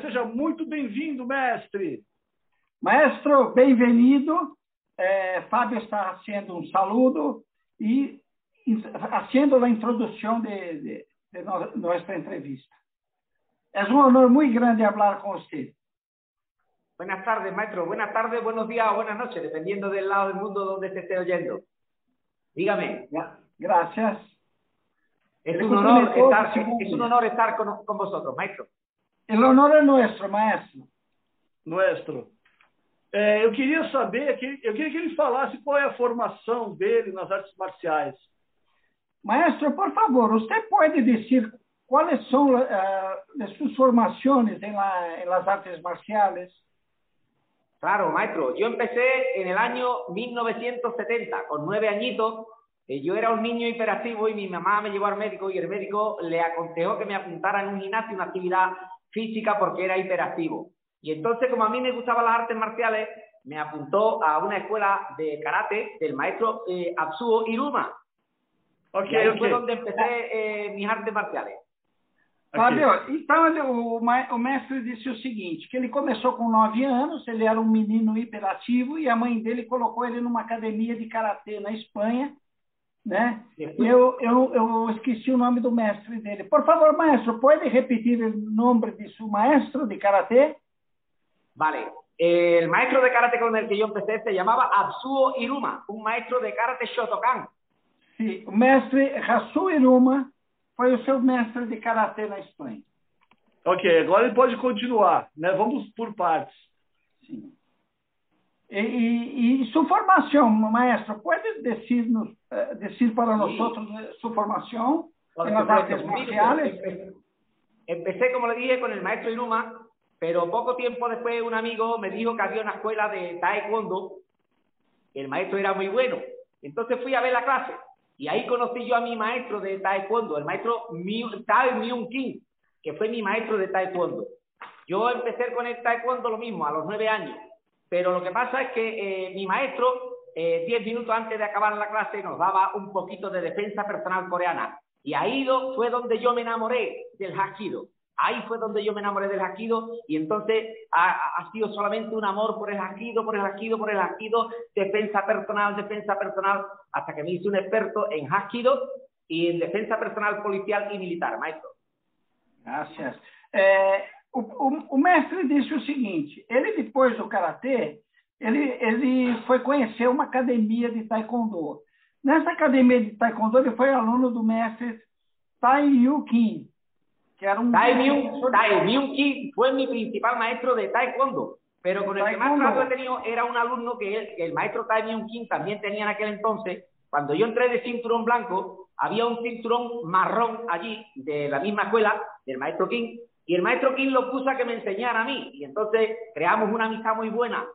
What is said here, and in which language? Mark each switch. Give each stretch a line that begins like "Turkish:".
Portuguese: Seja muito bem-vindo, mestre. Maestro, bem-vindo. Fábio está fazendo um saludo e fazendo a introdução de nossa entrevista. É um honor muito grande falar com você.
Spanish: Buenas tardes, maestro. Buenas tardes, buenos días o buenas noches, dependiendo del lado del mundo donde te esté oyendo. Dígame. Gracias. Es un honor estar con vosotros, maestro. El honor es nuestro, maestro. Nuestro. Yo quería saber, yo quería que él
Portuguese: falasse
Spanish: cuál es la formación de él en las artes marciales. Maestro, por favor, ¿usted puede decir cuáles son sus formaciones en las artes marciales? Claro, maestro. Yo empecé en el año 1970, con 9 añitos. Yo era un niño hiperactivo y mi mamá me llevó al médico y el médico le aconsejó que me apuntara en un gimnasio, una actividad física, porque era hiperactivo. Y entonces, como a mí me gustaban las artes marciales, me apuntó a una escuela de karate del maestro Absuo Iruma. Okay, y ahí okay. Fue donde empecé mis artes marciales.
Portuguese: Fábio, então o mestre disse o seguinte, que ele começou com 9 anos, ele era um menino hiperativo e a mãe dele colocou ele numa academia de karatê na Espanha, né? Eu esqueci o nome do mestre dele. Por favor, maestro, pode repetir o nome de seu maestro de karatê?
Spanish: Vale. El maestro de karatê
Portuguese: com
Spanish: el que yo empecé se llamaba Absuo Iruma, un maestro de karatê Shotokan. Sí,
Portuguese: o mestre Absuo Iruma foi o seu mestre de karatê na Espanha. Ok, agora ele pode continuar, né? Vamos por partes. Sim. E sua formação, maestro, pode dizer-nos, para nós sua formação nas artes marciais?
Spanish: Empecé, como le dije,
Portuguese: com o
Spanish: maestro Iruma, pero
Portuguese: pouco tempo depois um amigo
Spanish: me dijo que
Portuguese: havia uma escola
Spanish: de taekwondo, que o maestro era
Portuguese: muito
Spanish: bueno.
Portuguese: Então fui a ver a classe.
Spanish: Y ahí conocí yo a mi maestro de taekwondo, el maestro Tae Myung Kim, que fue mi maestro de taekwondo. Yo empecé con el taekwondo lo mismo, a los 9 años. Pero lo que pasa es que mi maestro, 10 minutos antes de acabar la clase, nos daba un poquito de defensa personal coreana. Y ahí fue donde yo me enamoré del Hapkido. Ahí fue donde yo me enamoré del Hapkido. Y entonces ha sido solamente un amor por el Hapkido, por el Hapkido, por el Hapkido. Defensa personal, hasta que me hice un experto en Hapkido y en defensa personal policial y militar, maestro. Gracias.
Portuguese: O mestre disse o seguinte, ele depois do karatê, ele foi conhecer uma academia de taekwondo. Nessa academia de taekwondo, ele foi aluno do mestre Tae Myung Kim, que era um... Tae Myung Kim foi meu principal maestro de taekwondo.
Spanish: Pero con el que más trato he tenido era un alumno que el maestro Tae Myung Kim también tenía en aquel entonces. Cuando yo entré de cinturón blanco, había un cinturón marrón allí, de la misma escuela, del maestro Kim. Y el maestro Kim lo puso a que me enseñara a mí. Y entonces creamos una amistad muy buena.